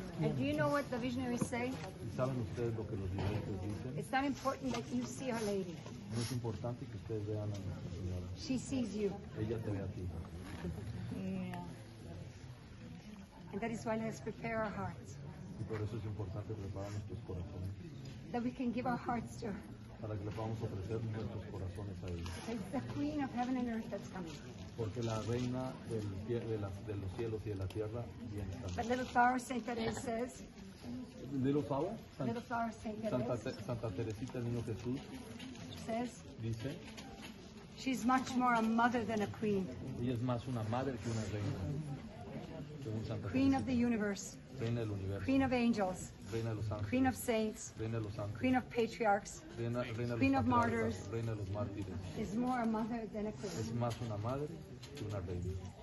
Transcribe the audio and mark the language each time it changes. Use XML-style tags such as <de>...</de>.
<en>And do you know what the visionaries say?</en> <es>¿Saben ustedes lo que los visionarios dicen?</es> <en>It's not important that you see her lady.</en> <es>No es importante que ustedes vean a nuestra señora.</es> <en>She sees you.</en> <es>Ella te ve a ti.</es> <en>Yeah. And that is why let us prepare our hearts.</en> <es>Y por eso es importante preparar nuestros corazones.</es> <en>That we can give our hearts to her.</en> <es>Para que le podamos ofrecer nuestros corazones a ella.</es> <en>It's the queen of heaven and earth that's coming.</en> <es>Porque la reina del, de los cielos y de la tierra viene también.</es> <en>The little flower saint that it says. Little flower? Little flower saint that</en> <es>Santa, Santa Teresita del Niño Jesús.</es> <en>Says.</en> <es>Dice.</es> <en>She's much more a mother than a queen.</en> <es>Ella es más una madre que una reina.</es> <en>Queen</en> <es>Teresita.</es> <en>Of the universe.</en> <es>Reina del universo.</es> <en>Queen of angels.</en> <es>Reina de los ángeles.</es> <en>Queen of saints.</en> <es>Reina de los ángeles.</es> <en>Queen of patriarchs.</en> <es>Reina</es> <en>queen of martyrs.</en> <es>Reina de los mártires.</es> <en>Is more a mother than a queen.</en> <es>Es más una madre que una reina.</es>